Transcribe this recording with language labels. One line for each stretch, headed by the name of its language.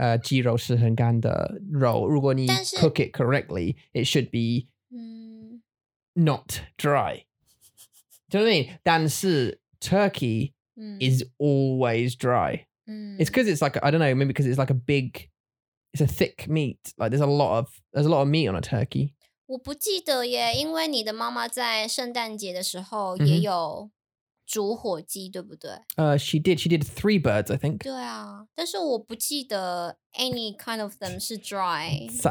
Chinese: You很烦呢，还好你的姐姐没有看。Yeah，我真的，like，我不想鸡肉是很干的肉。如果你cook
English: it correctly, it should be not dry. Do you know what I mean?
Chinese: 但是
English: turkey is always dry. It's because it's like, I don't know, maybe because it's like a big, it's a thick meat. Like there's a lot of meat on a turkey.
Chinese: 我不记得耶，因为你的妈妈在圣诞节的时候也有煮火鸡，对不对？
English: She did three birds, I think.
Chinese: 对啊，但是我不记得
English: any kind of them
Chinese: 是 dry.